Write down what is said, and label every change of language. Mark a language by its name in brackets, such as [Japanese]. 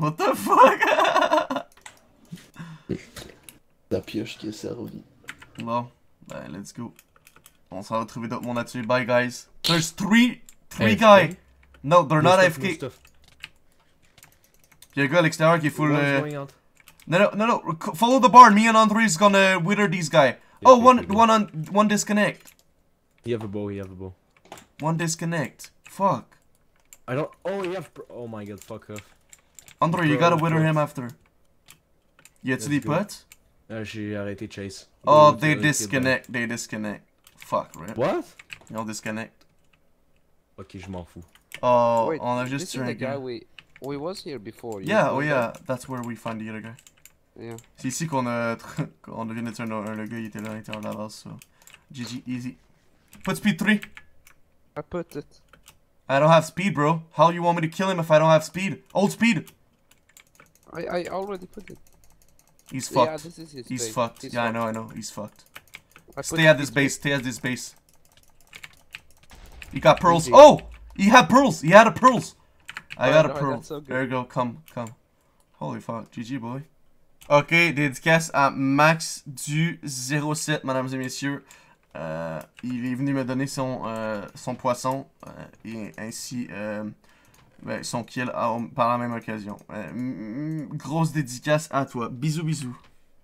[English] What the fuck? [French] La pioche qui est servie. Bon, ben [English] let's go. [French] On s'en va trouver d'autres mondes là-dessus. [English] Bye guys. There's three AFK? Guys. No, they're no not stuff, AFK. No stuff. [French] Y'a un gars à l'extérieur qui est full. [English] No. Follow the bar. Me and Andre is gonna wither these guys. Yeah, oh, one disconnect. He have a bow. One disconnect. Fuck. I don't. Oh, he have. Oh my god, fuck off. Andre, bro, you gotta wither him after. [French] Y'a-tu des potes? J'ai arrêté Chase. [English] Oh, they disconnect, they disconnect. Fuck, right? What? [French] Ils ont disconnect. Ok, je m'en fous. [English] Oh, wait, [French] on a juste tué un gars. [English] We was here before. Yeah, oh yeah, that's where we find the other guy. Yeah. [French] C'est ici qu'on a... on vient de tuer un le gars, il était là, il était en avance, so... [English] GG, easy. Put speed 3! I put it. I don't have speed, bro. How you want me to kill him if I don't have speed? Old speed! I already put it. He's fucked. Yeah, this is his base. Fucked. He's fucked. I know. He's fucked. Stay at this base. He got pearls. Oh! He had a pearls. I got a pearl. There you go. Come. Holy fuck. GG, boy. [French] Ok, dédicace à Max du 07, mesdames et messieurs. Il est venu me donner son, son poisson et ainsi ben, son kill par la même occasion. Grosse dédicace à toi. Bisous, bisous.